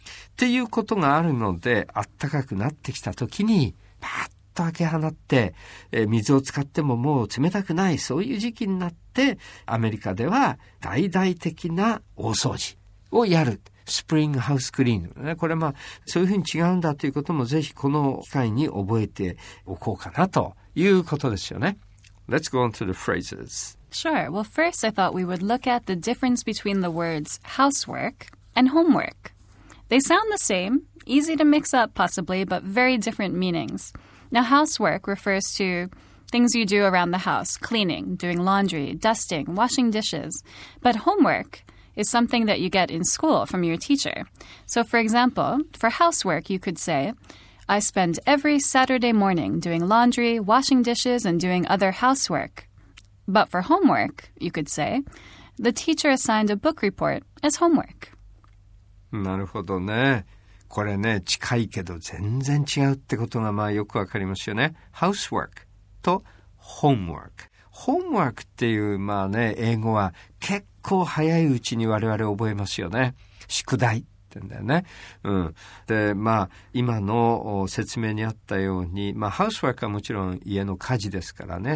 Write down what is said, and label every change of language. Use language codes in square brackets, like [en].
[ja] っていうことがあるので、暖かくなってきた時にパッと開け放って、水を使ってももう冷たくない、そういう時期になってアメリカでは大々的な大掃除をやる、スプリングハウスクリーニング、ね、これまあそういうふうに違うんだということもぜひこの機会に覚えておこうかなということですよね。 [en] Let's go on to the phrases. Sure, well first I thought we would look at the difference between the words housework and homework. They sound the same, easy to mix up possibly, but very different meanings. Now housework refers to things you do around the house, cleaning, doing laundry, dusting, washing dishes. But homework is something that you get in school from your teacher. So for example, for housework, you could say, I spend every Saturday morning doing laundry, washing dishes, and doing other housework. But for homework, you could say, the teacher assigned a book report as homework. [ja] なるほどね。これね、近いけど全然違うってことがまあよくわかりますよね。 [en] Housework と homework。 [ja] Homework っていうまあね、英語は結構こう早いうちに我々覚えますよね。宿題ってんだよね。うん。で、まあ、今の説明にあったように、まあ、ハウスワークはもちろん家の家事ですからね。